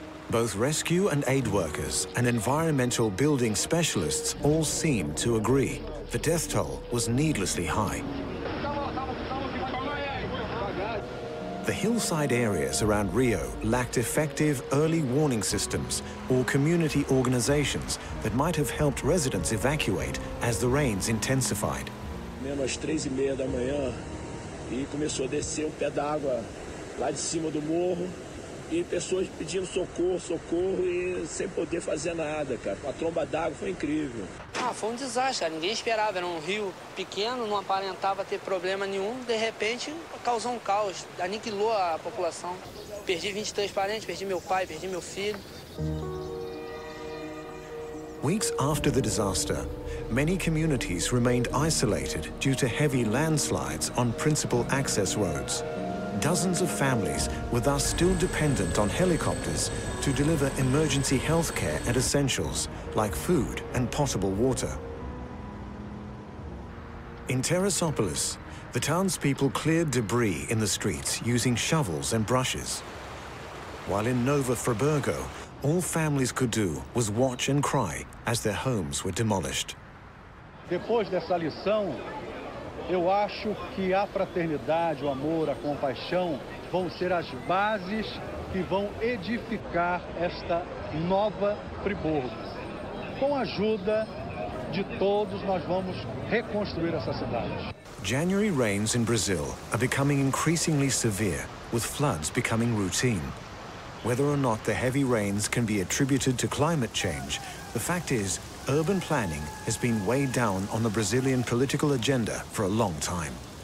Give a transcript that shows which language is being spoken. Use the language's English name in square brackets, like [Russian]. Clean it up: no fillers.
[English] Both rescue and aid workers and environmental building specialists all seem to agree the death toll was needlessly high. The hillside areas around Rio lacked effective early warning systems or community organizations that might have helped residents evacuate as the rains intensified. [Portuguese] Menos 3:30 da manhã e começou a descer um pé d'água lá de cima do morro e pessoas pedindo socorro e sem poder fazer nada, cara. A tromba d'água foi incrível. Ah, foi um desastre, ninguém esperava, era um rio pequeno, não aparentava ter problema nenhum, de repente causou um caos, aniquilou a população. Perdi 23 parentes, perdi meu pai, perdi meu filho. [English] Weeks after the disaster, many communities remained isolated due to heavy landslides on principal access roads. Dozens of families were thus still dependent on helicopters to deliver emergency health care and essentials, like food and potable water. In Terrasopolis, the townspeople cleared debris in the streets using shovels and brushes. While in Nova Friburgo, all families could do was watch and cry as their homes were demolished. [Portuguese] Depois dessa lição, eu acho que a fraternidade, o amor, a compaixão vão ser as bases que vão edificar esta nova Friburgo. Com a ajuda de todos, nós vamos reconstruir essa cidade. [English] January rains in Brazil are becoming increasingly severe, with floods becoming routine. Whether or not the heavy rains can be attributed to climate change, the fact is, urban planning has been weighed down on the Brazilian political agenda for a long time.